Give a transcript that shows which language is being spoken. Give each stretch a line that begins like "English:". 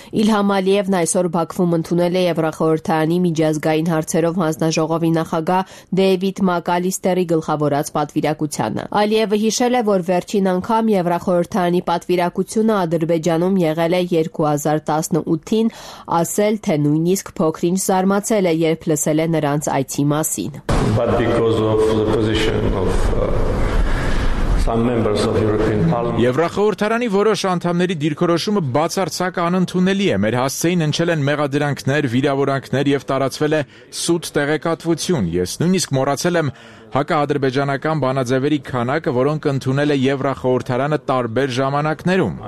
Armenian: Իլհամ Ալիևն այսօր Բաքվում ընդունել է Եվրախորհրդարանի միջազգային հարցերով հանձնաժողովի նախագահ Դեյվիդ Մակալիստերի գլխավորած պատվիրակությանը։ Ալիևը հիշել է, որ վերջին անգամ Եվրախորհրդարանի պատվիրակությունը Ադրբեջանում եղել է 2018-ին, ասել, թե նույնիսկ փոքրինչ զարմացել է, երբ լսել է նրանց այդ մասին.
English: But because of the position of some members of European Parliament.
Armenian: Եվրախորհրդարանի որոշ անդամների դիրքորոշումը բացարձակ անընդունելի է։ Մեր հասցեին ընչել են մեղադրանքներ, վիրավորանքներ եւ տարածվել է սուտ տեղեկատվություն։ Ես նույնիսկ մոռացել եմ հակա-ադրբեջանական բանաձևերի քանակը, որոնք ընդունել է Եվրախորհրդարանը տարբեր ժամանակներում.